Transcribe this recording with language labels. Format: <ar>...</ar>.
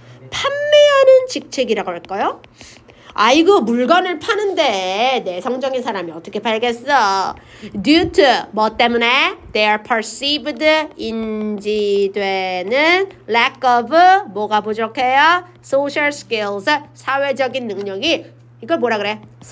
<ko>판매하는 직책이라고 할까요? 아이고 물건을 파는데 내성적인 사람이 어떻게 팔겠어?</ko> <en>Due to</en> <ko>뭐 때문에?</ko> <en>They are perceived</en> <ko>인지되는</ko> <en>lack of</en> <ko>뭐가 부족해요?</ko> <en>Social skills</en> <ko>사회적인 능력이 이걸 뭐라 그래?</ko>